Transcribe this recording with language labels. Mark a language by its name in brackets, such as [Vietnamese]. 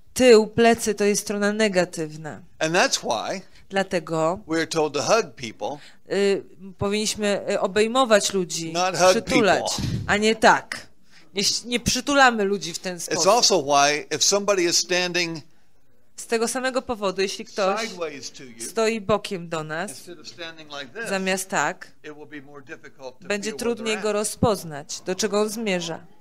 [Polish] Tył, plecy, to jest strona negatywna. [English] And that's why. [Polish] Dlatego [English] we're told to hug people. [Polish] Powinniśmy obejmować ludzi, [English] not hug [Polish] przytulać, [English] people. [Polish] A nie tak. Nie przytulamy ludzi w ten sposób. [English] It's also why if somebody is standing. [Polish] Z tego samego powodu, jeśli ktoś stoi bokiem do nas, [English] like this, [Polish] zamiast tak, będzie trudniej go rozpoznać, do czego on zmierza.